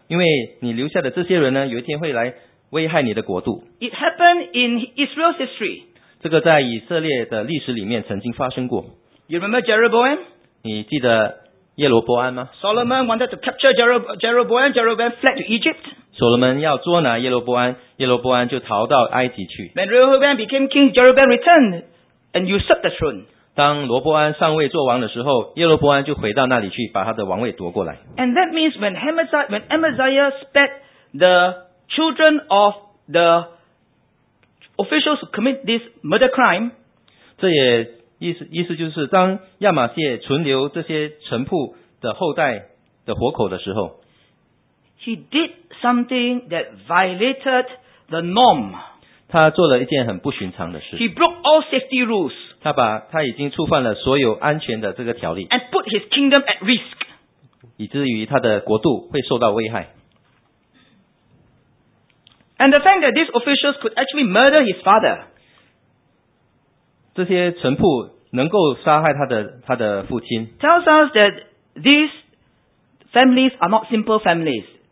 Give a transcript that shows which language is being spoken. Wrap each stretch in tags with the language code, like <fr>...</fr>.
<zh>因为你留下的这些人呢，有一天会来危害你的国度。</zh> <en>It happened in Israel's history.</en> <zh>这个在以色列的历史里面曾经发生过。</zh> <en>You remember Jeroboam?</en> <zh>你记得耶罗波安吗？</zh> <en>Solomon wanted to capture Jeroboam. Jeroboam fled to Egypt.</en> <zh>所罗门要捉拿耶罗波安，耶罗波安就逃到埃及去。</zh> <en>When Rehoboam became king, Jeroboam returned and usurped the throne.</en> <zh>当罗波安上位做王的时候，耶罗波安就回到那里去，把他的王位夺过来。</zh> <en>And that means when Amaziah spared the children of the officials who commit this murder crime,</en> <zh>这也意思就是，当亚玛谢存留这些臣仆的后代的活口的时候，</zh> <en>He did something that violated the norm.</en> <zh>他做了一件很不寻常的事。</zh> <en>He broke all safety rules.</en> <zh>他已经触犯了所有安全的这个条例。</zh> <en>And put his kingdom at risk.</en> <zh>以至于他的国度会受到危害。</zh> <en>And the fact that these officials could actually murder his father.</en> <zh>这些臣仆能够杀害他的父亲。</zh> <en>Tells us that these families are not simple families.</en>